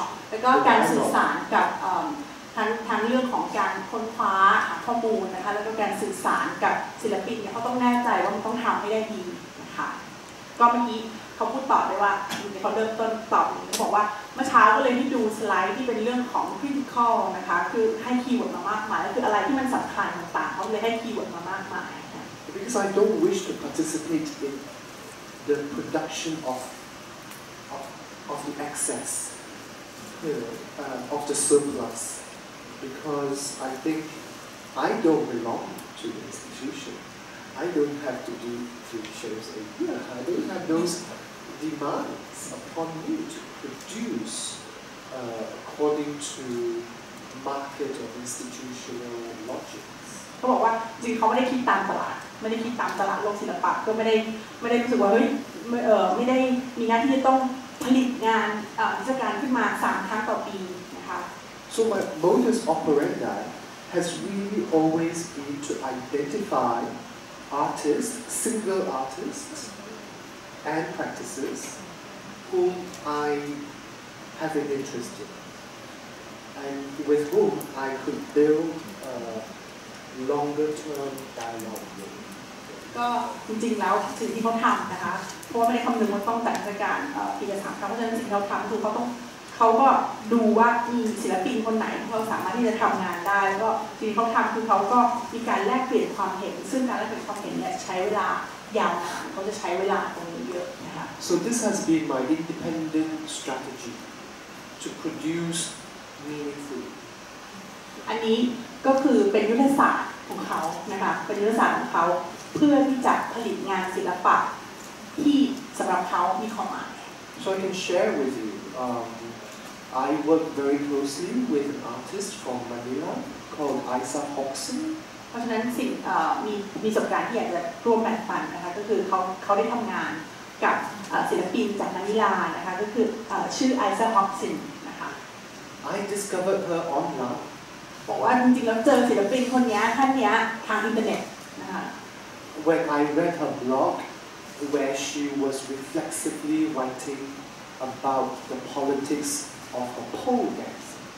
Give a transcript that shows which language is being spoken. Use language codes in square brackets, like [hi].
[th] แล้วก็การสื่อสารกับทั้งเรื่องของการค้นคว้าข้อมูลนะคะแล้วก็การสื่อสารกับศิลปินเนี่ยเขาต้องแน่ใจว่ามันต้องทำให้ได้ดีนะคะก็เมื่อกี้เขาพูดต่อได้ว่าในเขาเริ่มต้นตอบเขาบอกว่าเมื่อเช้าก็เลยที่ดูสไลด์ที่เป็นเรื่องของคริติคอลนะคะคือให้คีย์เวิร์ดมามากมายแล้วคืออะไรที่มันสำคัญต่างเขาเลยให้คีย์เวิร์ดมามากมาย [en] Because I don't wish to participate in the production of the excess of the surplus because I think I don't belong to the institution I don't have to do 3 shows a year I don't have those demands upon me to produce according to market or institutional logics [th] เขาบอกว่าจริงเขาไม่ได้คิดตามตลาดไม่ได้คิดตามตลาดโลกศิลปะก็ไม่ได้รู้สึกว่าเฮ้ยไม่ได้มีหน้าที่จะต้องผลิตงานนิทรรศการขึ้นมา3 ครั้งต่อปีนะคะ [en] So my modus operandi has really always been to identify artists, single artists and practices whom I have an interest in and with whom I could build a longer term dialogue with. [th] ก็จริงๆแล้วสิ่งที่เขาทำนะคะเพราะว่าไม่ได้คำนึงว่าต้องจัดนิทรรศการปีละ3 ครั้งเพราะฉะนั้นสิ่งที่เขาทำคือเขาก็ดูว่ามีศิลปินคนไหนที่เขาสามารถที่จะทำงานได้ก็สิ่งที่เขาทำคือเขาก็มีการแลกเปลี่ยนความเห็นซึ่งการแลกเปลี่ยนความเห็นเนี่ยใช้เวลายาวนานเขาจะใช้เวลาตรงนี้เยอะนะคะ [en] So this has been my independent strategy to produce meaningful [th] อันนี้ก็คือเป็นยุทธศาสตร์ของเขานะคะเป็นยุทธศาสตร์ของเขาเพื่อที่จะผลิตงานศิลปะที่สำหรับเขามีความหมาย [en] So I can share with you I work very closely with an artist from Manila called Isa Hoxson [th] เพราะฉะนั้นสิ่งมีประสบการณ์ที่อยากจะร่วมแบ่งปันนะคะก็คือเขาได้ทำงานกับศิลปินจากมะนิลานะคะก็คือชื่อ Isa Hoxson นะคะ [en] I discovered her online [th] บอกว่าจริงๆแล้วเจอศิลปินคนนี้ท่านนี้ทางอินเทอร์เน็ตนะคะ [en] When I read her blog, where she was reflexively writing about the politics of a pole dance.